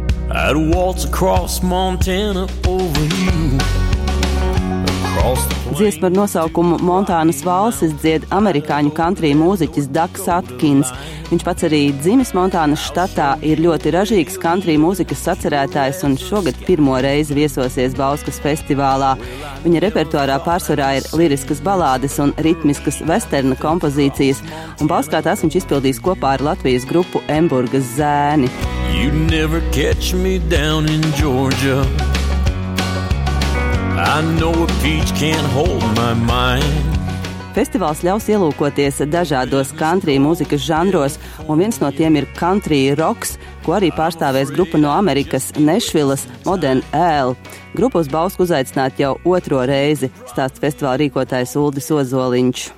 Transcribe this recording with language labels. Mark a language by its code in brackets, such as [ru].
[en] I'd waltz across Montana over you. [lv] Dziesma ar nosaukumu Montānas valses dzied amerikāņu kantrī mūziķis Ducks Atkins. Viņš pats arī dzimis Montānas štatā, ir ļoti ražīgs kantrī mūzikas sacerētājs un šogad pirmo reizi viesosies Bauskas festivālā. Viņa repertuārā pārsvarā ir liriskas balādes un ritmiskas vesterna kompozīcijas, un Bauskā tās viņš izpildīs kopā ar Latvijas grupu Emburgas zēni. [en] You never catch me down in Georgia. I know a peach can't hold my mind. [lv] Festivāls ļaus ielūkoties dažādos country mūzikas žanros, un viens no tiem ir country rocks, ko arī pārstāvēs grupa no Amerikas Nešvilas Modern Ale. Grupa uz Bausku uzaicināt jau otro reizi, stāsts festivāla rīkotājs Uldis Ozoliņš.